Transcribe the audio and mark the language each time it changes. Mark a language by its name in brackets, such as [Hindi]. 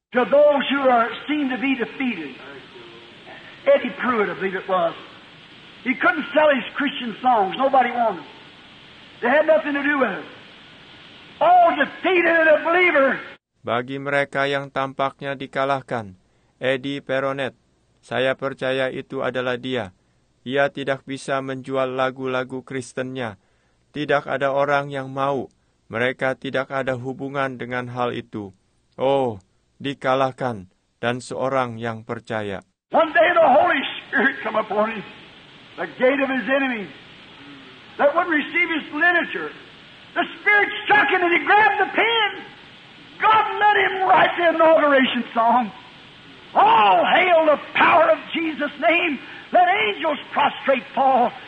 [English] To those who seem to be defeated, Eddie Pruitt, I believe it was. He couldn't sell his Christian songs. Nobody wanted them. They had nothing to do with it. All defeated in a believer. [Indonesian] Bagi mereka yang tampaknya dikalahkan, Eddie Peronet, saya percaya itu adalah dia. Ia tidak bisa menjual lagu-lagu Kristennya. Tidak ada orang yang mau. Mereka tidak ada hubungan dengan hal itu. Oh, dikalahkan dan seorang yang percaya. [English] One day the Holy Spirit come upon him, the gate of his enemy, that wouldn't receive his literature. The Spirit struck him and he grabbed the pen. God let him write the inauguration song. All hail the power of Jesus' name. Let angels prostrate fall.